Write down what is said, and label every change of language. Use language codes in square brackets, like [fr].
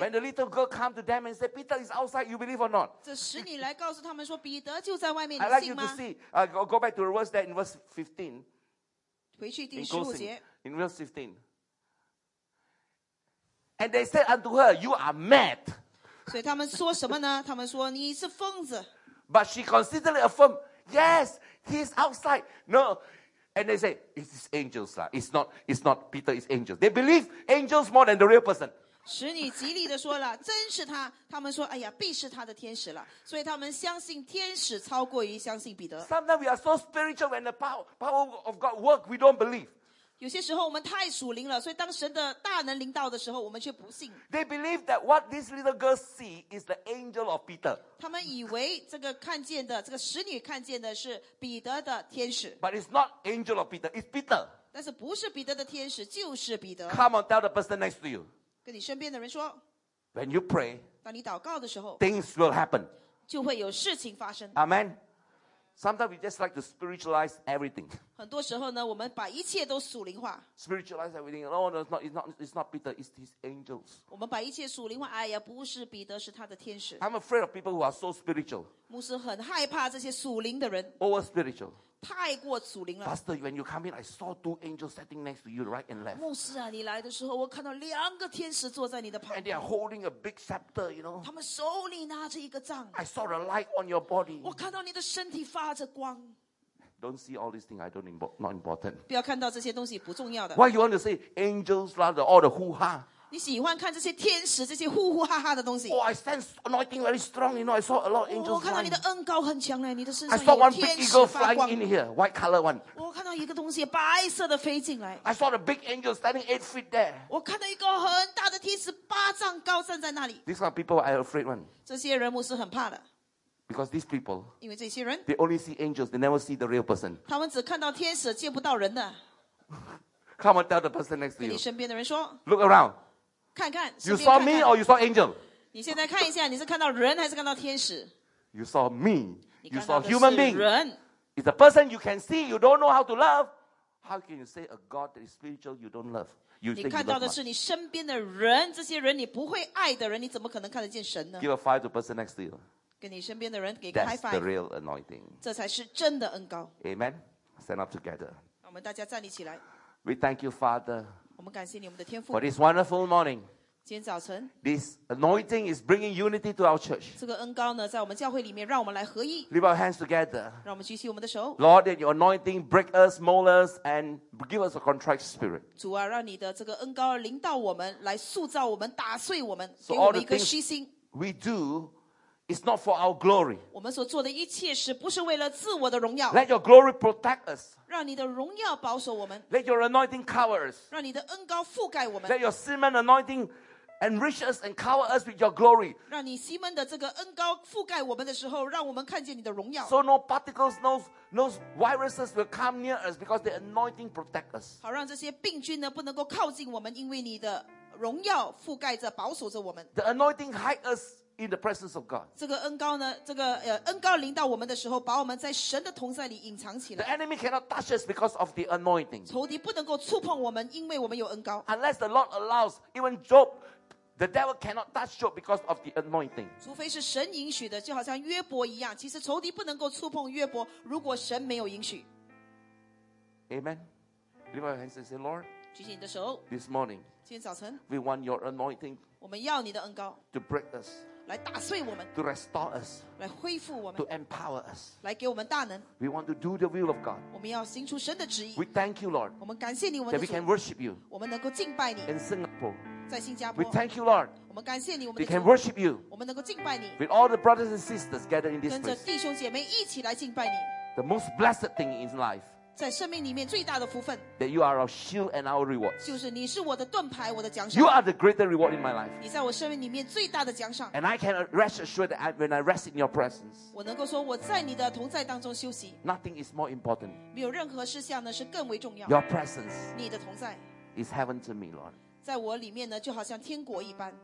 [en] When the little girl come to them and say, Peter is outside, you believe or not? [zh] 这使你来告诉他们说彼得就在外面你信吗 [en] I'd like you to see,go back to the verse there in verse 15. [zh] 回去第十五节 [en] In verse 15. And they said unto her, You are mad. [zh] 所以他们说什么呢？他们说你是疯子。 [en] But she considerately affirmed, Yes, he's outside. No. And they say, It's angels. It's not Peter, it's angels. They believe angels more than the real person. [zh] 使你极力地说了，真是他。他们说，哎呀，必是他的天使了。所以他们相信天使超过于相信彼得。 [en] Sometimes we are so spiritual when the power of God works, we don't believe. [zh] 有些时候我们太属灵了，所以当神的大能临到的时候，我们却不信。 [en] They believe that what this little girl see is the angel of Peter. [zh] 他们以为这个看见的，这个使女看见的是彼得的天使。 [en] But it's not angel of Peter, it's Peter. [zh] 但是不是彼得的天使，就是彼得。 [en] Come on, tell the person next to you. [zh] 跟你身边的人说。 [en] When you pray, [zh] 当你祷告的时候 [en] ，things will happen. [zh] 就会有事情发生。 [en] Amen. Sometimes we just like to spiritualize everything. [zh] 很多时候呢，我们把一切都属灵化。 [en] Spiritualize everything. Oh, no, it's not Peter. It's his angels. [zh] 我们把一切属灵化。哎呀，不是彼得，是他的天使。 [en] I'm afraid of people who are so spiritual. [zh] 牧师很害怕这些属灵的人。 [en] Over spiritual. [zh] 太过属灵了。 [en] Pastor, when you come in, I saw two angels sitting next to you, right and left. [zh] 牧师啊，你来的时候，我看到两个天使坐在你的旁边。 [en] And they are holding a big scepter, you know. [zh] 他们手里拿着一个杖。 [en] I saw the light on your body. [zh] 我看到你的身体发着光。 [en] Don't see all these things. I don't not important. [zh] 不要看到这些东西不重要的。 [en] Why you want to say angels, rather all the hoo ha? [zh] 你喜欢看这些天使这些呼呼哈哈的东西 [en] Oh, I sense anointing very strong, you know, I saw a lot of angels flying. [zh] 我看到你的恩膏很强嘞，你的身上有天使发光。 [en] I saw one big eagle flying in here, white color one. [zh] 我看到一个东西白色的飞进来。 [en] I saw the big angel standing 8 feet there. [zh] 我看到一个很大的天使八丈高站在那里。 [en] These are people I'm afraid of. [zh] 这些人我是很怕的。 [en] Because these people, [zh] 因为这些人 [en] they only see angels, they never see the real person. [zh] 他们只看到天使见不到人的。 [en] Come and tell the person next to you. [zh] 跟你身边的人说。 [en] Look around. [zh] 看看 [en] you saw [zh] 看看 [en] me or you saw angel? [zh] 你现在看一下，你是看到人还是看到天使 [en] ？You saw me. You saw human being. [zh] 你看到的是人。 [en] It's a person you can see. You don't know how to love. How can you say a God that is spiritual you don't love? You [zh] 你看到的是你身边的人，这些人你不会爱的人，你怎么可能看得见神呢 [en] ？Give a five to the person next to you. [zh] 跟你身边的人给个 high five. [en] That's the real anointing. [zh] 这才是真的恩膏。 [en] Amen. Stand up together. [zh] 我们大家站立起来。 [en] We thank you, Father. [zh] 我们感谢你我们的天父 [en] For this wonderful morning, [zh] 今天早晨 [en] This anointing is bringing unity to our church. [zh] 这个恩膏呢在我们教会里面让我们来合一 [en] Leave our hands together. [zh] 让我们举起我们的手 [en] Lord, that your anointing break us, mold us, and give us a contrite spirit. [zh] 主啊让你的这个恩膏临到我们来塑造我们打碎我们给我们一颗虚心 [en] we do is not for our glory. [zh] 我们所做的一切事不是为了自我的荣耀 [en] Let your glory protect us. [zh] 让你的荣耀保守我们。 [en] Let your anointing cover us. [zh] 让你的恩膏覆盖我们。 [en] Let your Simon anointing enrich us and cover us with your glory. [zh] 让你西门的这个恩膏覆盖我们的时候，让我们看见你的荣耀。 [en] So no particles, no viruses will come near us because the anointing protects us. [zh] 好，让这些病菌呢不能够靠近我们，因为你的荣耀覆盖着、保守着我们。 [en] The anointing hides us. In the presence of God. [zh] 这个恩膏呢，这个恩膏临到我们的时候，把我们在神的同在里隐藏起来。 [en] The enemy cannot touch us because of the anointing. [zh] 仇敌不能够触碰我们，因为我们有恩膏。 [en] Unless the Lord allows, even Job, the devil cannot touch Job because of the anointing. [zh] 除非是神允许的，就好像约伯一样，其实仇敌不能够触碰约伯，如果神没有允许。 [en] Amen. Lift your hands and say, Lord. [zh] 举起你的手。 [en] This morning. [zh] 今天早晨。 [en] We want your anointing. [zh] 我们要你的恩膏。 [en] To break us. [zh] 来打碎我们 [en] to restore us, [zh] 来恢复我们 [en] to empower us, [zh] 来给我们大能 [en] we want to do the will of God, [zh] 我们要行出神的旨意 [en] we thank you Lord, [zh] 我们感谢你我们的主 [en] that we can worship you, [zh] 我们能够敬拜你 [en] in Singapore, [zh] 在新加坡 [en] we thank you Lord, [zh] 我们感谢你我们的主 [en] we can worship you, [zh] 我们能够敬拜你 [en] with all the brothers and sisters gathered in this place, [zh] 跟着弟兄姐妹一起来敬拜你 [en] the most blessed thing in life, [zh] 在生命里面最大的福分 [en] that you are our shield and our reward [zh] 就是你是我的盾牌我的奖赏 [en] you are the greater reward in my life [zh] 你在我生命里面最大的奖赏 [en] and I can rest assured that when I rest in your presence [zh] 我能够说我在你的同在当中休息 [en] nothing is more important [zh] 没有任何事项呢是更为重要 [en] your presence [zh] 你的同在 [en] is heaven to me Lord [zh] 在我里面呢，就好像天国一般。